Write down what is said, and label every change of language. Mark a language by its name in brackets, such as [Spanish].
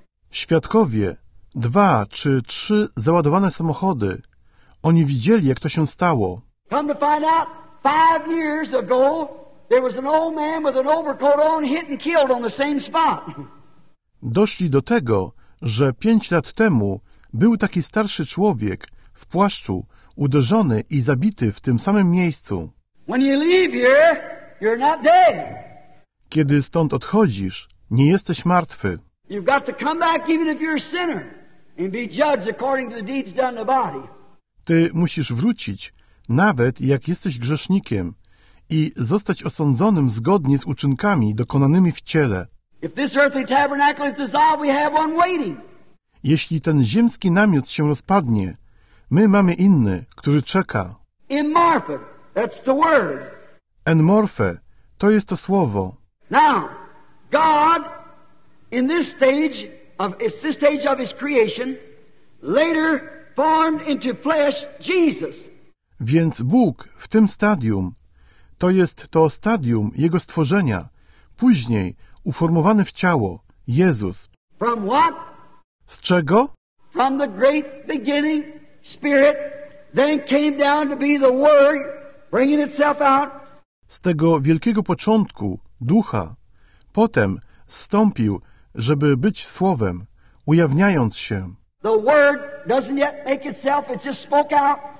[Polish] Świadkowie, dwa czy trzy załadowane samochody. Oni widzieli, jak to się stało. [English] Come to find out, 5 years ago, there was an old man with an overcoat on, hit and killed on the same spot. [Polish] Doszli do tego, że 5 lat temu był taki starszy człowiek w płaszczu, uderzony i zabity w tym samym miejscu. [English] When you leave here, you're not dead. [Polish] Kiedy stąd odchodzisz, nie jesteś martwy. [English] You've got to come back even if you're a sinner and be judged according to the deeds done in the body. [Polish] Ty musisz wrócić, nawet jak jesteś grzesznikiem i zostać osądzonym zgodnie z uczynkami dokonanymi w ciele. [English] If this earthly tabernacle is dissolved, we have one waiting. [Polish] Jeśli ten ziemski namiot się rozpadnie, my mamy inny, który czeka. [English] Enmorphe, that's the word. [Polish] Enmorphe, to jest to słowo. [English] Now, God, in this stage of his creation, later formed into flesh Jesus. [Polish] Więc Bóg w tym stadium, to jest to stadium Jego stworzenia, później uformowany w ciało, Jezus. [English] From what? [Polish] Z czego? [English] From the great beginning spirit, then came down to be the word, bringing itself out. [Polish] Z tego wielkiego początku, ducha, potem zstąpił, żeby być słowem, ujawniając się. [English] The word doesn't yet make itself, it just spoke out.